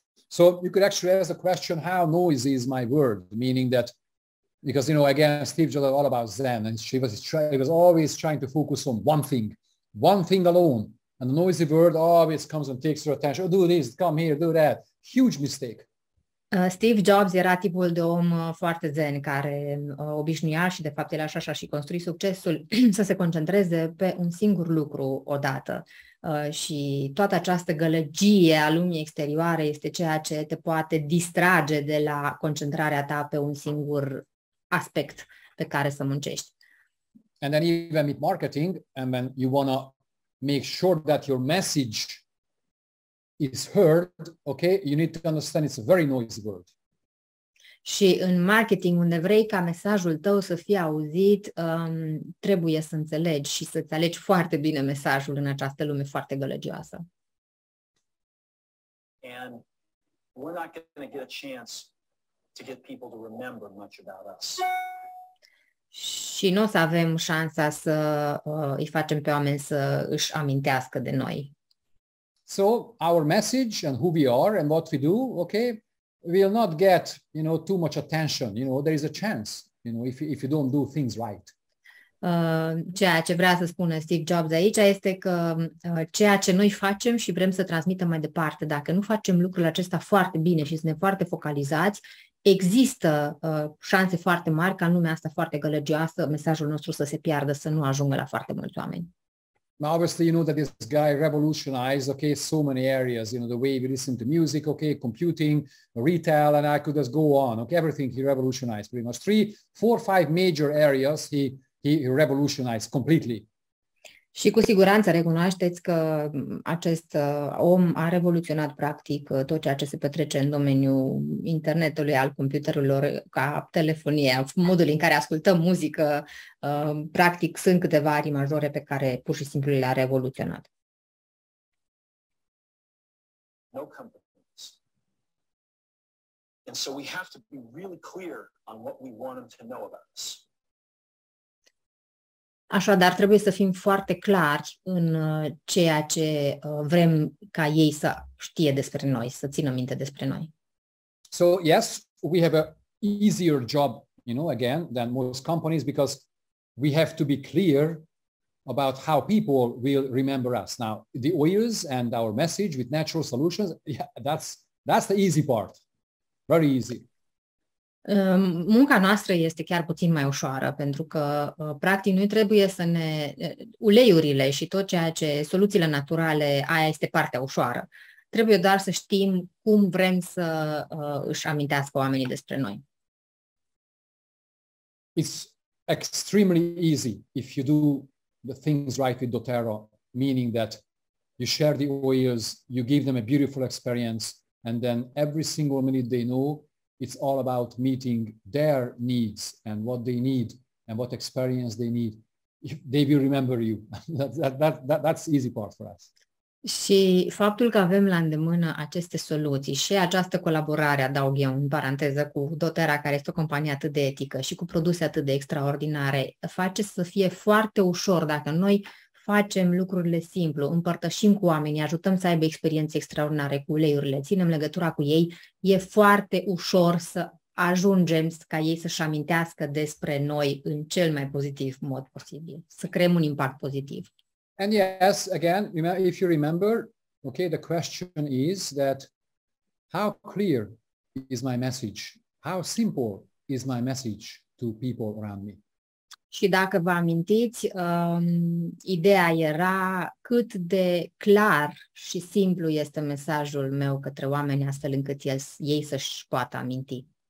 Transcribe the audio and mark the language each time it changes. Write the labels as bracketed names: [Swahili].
[English] So you could actually ask a question, how noisy is my world? Meaning that, because, you know, again, Steve Jobs is all about Zen, and he was always trying to focus on one thing alone. And the noisy world always comes and takes your attention. Oh, do this, come here, do that. Huge mistake. [Romanian] Steve Jobs era tipul de om foarte zen, care obișnuia și de fapt el așa și construi succesul să se concentreze pe un singur lucru odată. Și toată această gălăgie a lumii exterioare este ceea ce te poate distrage de la concentrarea ta pe un singur aspect pe care să muncești. [English] And then even with marketing, and then you want to make sure that your message is heard, okay? You need to understand it's a very noisy world. [Romanian] Și în marketing, unde vrei ca mesajul tău să fie auzit, trebuie să înțelegi și să-ți alegi foarte bine mesajul în această lume foarte gălăgioasă. [English] And we're not going to get a chance to get people to remember much about us. [Romanian] Și nu o să avem șansa să îi facem pe oameni să își amintească de noi. [English] So, our message and who we are and what we do, okay? Will not get, you know, too much attention. You know, there is a chance, you know, if you don't do things right. [Romanian] Ceea ce vrea să spună Steve Jobs aici este că ceea ce noi facem și vrem să transmitem mai departe, dacă nu facem lucrurile acestea foarte bine și suntem foarte focalizați, există șanse foarte mari ca în lumea asta foarte gălăgioasă mesajul nostru să se piardă, să nu ajungă la foarte mulți oameni. [English] Now, obviously, you know that this guy revolutionized, okay, so many areas, you know, the way we listen to music, okay, computing, retail, and I could just go on, okay, everything he revolutionized pretty much. 3, 4, 5 major areas he revolutionized completely. [Romanian] Și cu siguranță recunoașteți că acest om a revoluționat practic tot ceea ce se petrece în domeniul internetului, al computerelor, ca telefonie, modul în care ascultăm muzică, practic sunt câteva arii majore pe care pur și simplu le-a revoluționat. [English] No companies. And so we have to be really clear on what we want them to know about us. [Romanian] Așadar, trebuie să fim foarte clari în ceea ce vrem ca ei să știe despre noi, să țină minte despre noi. [English] So, yes, we have a easier job, you know, again, than most companies because we have to be clear about how people will remember us. Now, the oils and our message with natural solutions, yeah, that's the easy part. Very easy. [Romanian] Munca noastră este chiar puțin mai ușoară, pentru că practic noi trebuie să ne uleiurile și tot ceea ce soluțiile naturale, aia este partea ușoară. Trebuie doar să știm cum vrem să își amintească oamenii despre noi. [English] It's extremely easy if you do the things right with doTERRA, meaning that you share the oils, you give them a beautiful experience, and then every single minute they know. It's all about meeting their needs and what they need and what experience they need. They will remember you. That's the easy part for us. [Romanian] Și faptul că avem la îndemână aceste soluții și această colaborare, adaug eu în paranteză, cu doTERRA, care este o companie atât de etică și cu produse atât de extraordinare, face să fie foarte ușor dacă noi facem lucrurile simplu, împărtășim cu oamenii, ajutăm să aibă experiențe extraordinare cu uleiurile, ținem legătura cu ei, e foarte ușor să ajungem ca ei să-și amintească despre noi în cel mai pozitiv mod posibil, să creăm un impact pozitiv. [English] And yes, again, if you remember, okay, the question is that how clear is my message? How simple is my message to people around me? [Romanian] Și dacă vă amintiți, ideea era cât de clar și simplu este mesajul meu către oameni, astfel încât ei să-și poată aminti.